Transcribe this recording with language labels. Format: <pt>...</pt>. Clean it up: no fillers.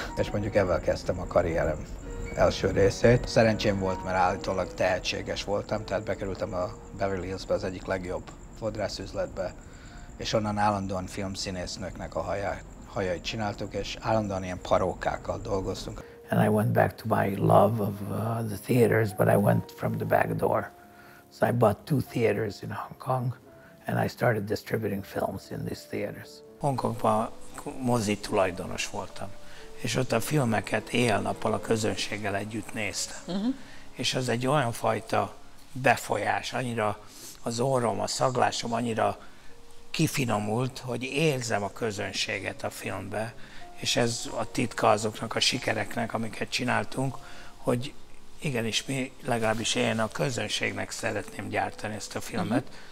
<hu>És mondjuk ezzel kezdtem a karrierem első részét. Szerencsém volt, mert állítólag tehetséges voltam, tehát bekerültem a Beverly Hillsbe, az egyik legjobb fodrászüzletbe, és onnan állandóan filmszínésznöknek a hajait csináltuk, és állandóan ilyen parókákkal dolgoztunk.</hu> <en>And I went back to my love of the theaters, but I went from the back door. So I bought 2 theaters in Hong Kong, and I started distributing films in these theaters.</en> <hu>Hong Kongban mozi tulajdonos voltam, és ott a filmeket éjjel-nappal a közönséggel együtt néztem. És az egy olyan fajta befolyás, annyira az orrom, a szaglásom annyira kifinomult, hogy érzem a közönséget a filmbe, és ez a titka azoknak a sikereknek, amiket csináltunk, hogy igenis mi legalábbis én a közönségnek szeretném gyártani ezt a filmet.</hu>